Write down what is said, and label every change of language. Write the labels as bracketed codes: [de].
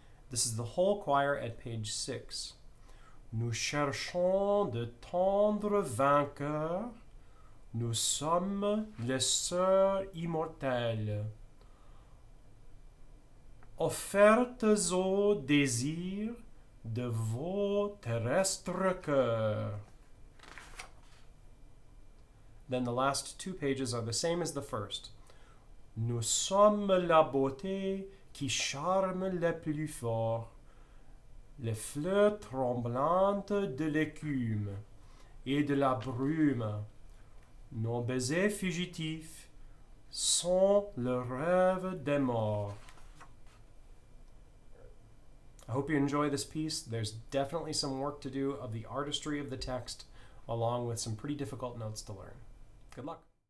[en] This is the whole choir at page 6. [fr] Nous cherchons de tendres vainqueurs. Nous sommes les sœurs immortelles, offertes au désir de vos terrestres cœurs. [en] Then the last two pages are the same as the first. [fr] Nous sommes la beauté qui charme le plus fort, les fleurs tremblantes de l'écume et de la brume. Nos baisers fugitifs sont le rêve des morts. [en] I hope you enjoy this piece. There's definitely some work to do of the artistry of the text, along with some pretty difficult notes to learn. Good luck.